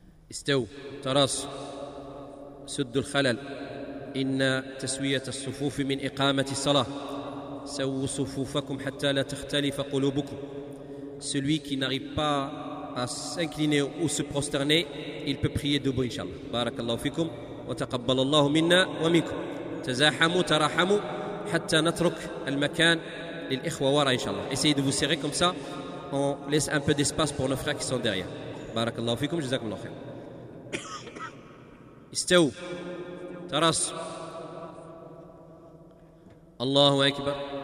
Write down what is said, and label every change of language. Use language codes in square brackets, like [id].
[ar] استو تراص سد الخلل، إن تسوية الصفوف من إقامة الصلاة. سووا صفوفكم حتى لا تختلف قلوبكم. [fr] Celui qui n'arrive pas à s'incliner ou se prosterner, il peut prier debout inshallah. [ar] بارك الله فيكم وتقبل الله منا ومنكم. تزاحموا تراحموا حتى نترك المكان للإخوة وراء inshallah. [fr] Essayez de vous serrer comme ça, on laisse un peu d'espace pour nos frères qui sont derrière. [ar] بارك الله فيكم جزاكم الله خير. استو ترس الله أكبر.